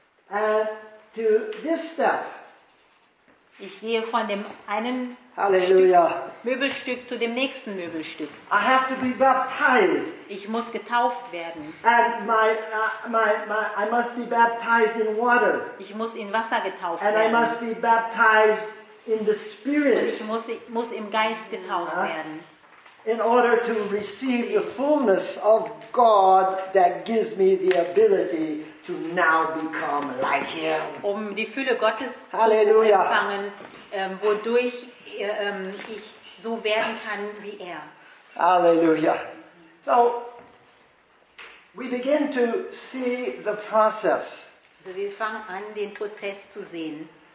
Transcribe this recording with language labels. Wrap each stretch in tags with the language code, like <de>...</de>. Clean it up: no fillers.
<en>Huh? And to this step.</en> <de>Ich gehe von dem einen</de> <en>Hallelujah.</en> <de>Möbelstück zu dem nächsten Möbelstück.</de> <en>I have to be baptized.</en> <de>Ich muss getauft werden.</de> <en>And I must be baptized in water.</en> <de>Ich muss in Wasser getauft</de> <en>And</en> <de>werden.</de> <en>And I must be baptized in the Spirit.</en> <de>Und ich muss im Geist getauft werden.</de> <en>In order to receive the fullness of God that gives me the ability to now become like him.</en> <de>Um die Fülle Gottes Halleluja. Zu empfangen, wodurch ich so werden kann wie er. Halleluja.</de> <en>So, we begin to see the process.</en> <de>Also wir fangen an, den Prozess zu sehen.</de>